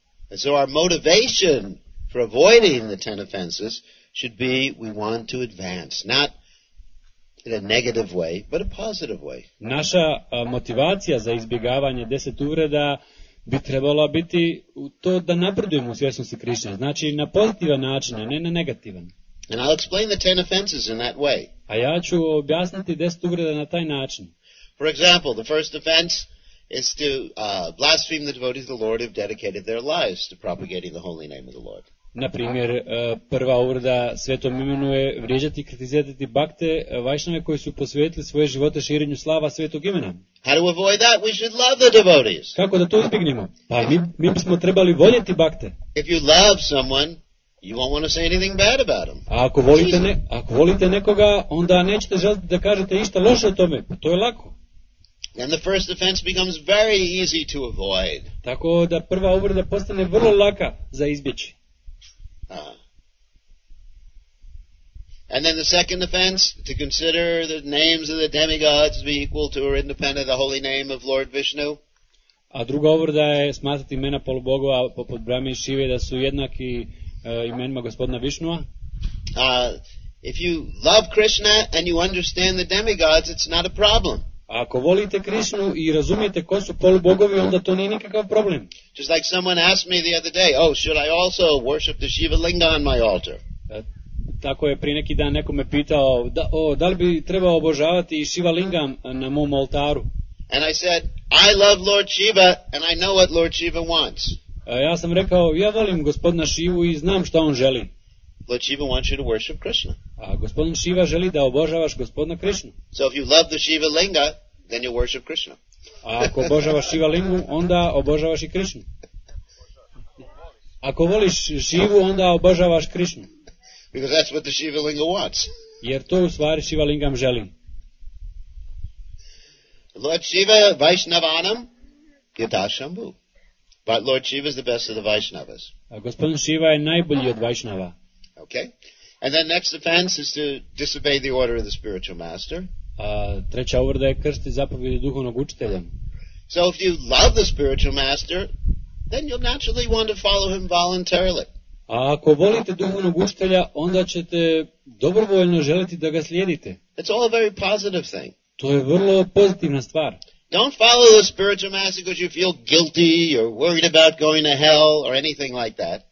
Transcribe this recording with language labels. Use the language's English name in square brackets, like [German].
[English] And so our motivation for avoiding the 10 offenses should be we want to advance, not in a negative way, but a positive way. [Croatian] Naša motivacija za izbjegavanje 10 uvreda bi trebala biti to da napredujemo u svjesnosti Krišne. Znači na pozitivan način, a ne na negativan. [English] And I'll explain the 10 offenses in that way. [Croatian] A ja ću objasniti 10 uvreda na taj način. [English] For example, the first offense is to blaspheme the devotees of the Lord who have dedicated their lives to propagating the holy name of the Lord. [Croatian] Naprimjer, prva uvreda svetom imenu je vrijeđati i kritizirati bakte Vaishnave koji su posvetili svoje živote širenju slava svetog imena. [English] How to avoid that? We should love the devotees. [Croatian] Kako da to izbjegnemo? Pa mi bismo trebali voljeti bakte. [English] If you love someone, you won't want to say anything bad about him. [Croatian] Ako volite nekoga, onda nećete želiti da kažete ništa loše o tome. Pa to je lako. [English] And the first offense becomes very easy to avoid. [Croatian] Tako da prva uvreda postane vrlo laka za izbjeći. [English] And then the second offense, to consider the names of the demigods to be equal to or independent of the holy name of Lord Vishnu. [Croatian] A druga uvreda je smatrati imena polubogova poput Brahme i Šive da su jednaki imenima gospodina Višnua. [English] If you love Krishna and you understand the demigods, it's not a problem. [Croatian] Ako volite Krišnu i razumijete ko su polubogovi, onda to nije nikakav problem. [English] Just like someone asked me the other day, oh, should I also worship the Shiva Linga on my altar? [Croatian] Tako je prije neki dan neko me pitao, da li bi trebao obožavati i Shiva Linga na mom oltaru? [English] And I said, I love Lord Shiva and I know what Lord Shiva wants. [Croatian] Ja sam rekao, ja volim gospodina Šivu i znam šta on želi. [English] Lord Shiva wants you to worship Krishna. [Croatian] A gospodin Shiva želi da obožavaš gospodina Krishnu. [English] So if you love the Shiva Linga, then you worship Krishna. [Croatian] A ako obožavaš Shiva Lingu, onda obožavaš i Krishnu. Ako voliš Shivu, onda obožavaš Krishnu. [English] Because that's what the Shiva Linga wants. [Croatian] Jer to u stvari Shiva Lingam želi. [Sanskrit] Lord Shiva Vaishnavanam Yadashambhu. [English] But Lord Shiva is the best of the Vaishnavas. [Croatian] A gospodin Shiva je najbolji od Vaishnava. [English] Okay. And then next offense is to disobey the order of the spiritual master. [Croatian] Treća uvreda je kršiti zapovjedi duhovnog učitelja. [English] So if you love the spiritual master, then you'll naturally want to follow him voluntarily. [Croatian] A ako volite duhovnog učitelja, onda ćete dobrovoljno želiti da ga slijedite. [English] It's all a very positive thing. [Croatian] To je vrlo pozitivna stvar. [English] Don't follow the spiritual master because you feel guilty or worried about going to hell or anything like that.